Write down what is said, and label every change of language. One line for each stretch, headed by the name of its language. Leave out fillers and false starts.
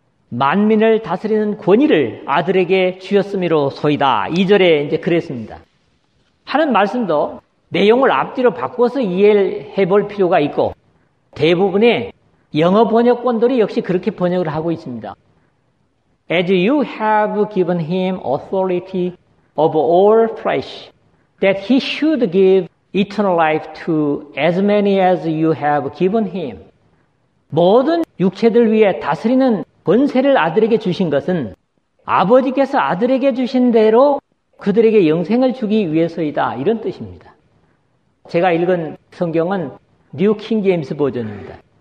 Korean: 만민을 다스리는 권위를 아들에게 주셨으므로 소이다. 2절에 이제 그랬습니다. 하는 말씀도 내용을 앞뒤로 바꿔서 이해해 볼 필요가 있고 대부분의 영어 번역본들이 역시 그렇게 번역을 하고 있습니다.
English: As you have given him authority of all flesh, that he should give eternal life to as many as you have given him.
Korean: 모든 육체들 위해 다스리는 권세를 아들에게 주신 것은 아버지께서 아들에게 주신 대로 그들에게 영생을 주기 위해서이다. 이런 뜻입니다. 제가 읽은 성경은 뉴 킹 제임스 버전입니다.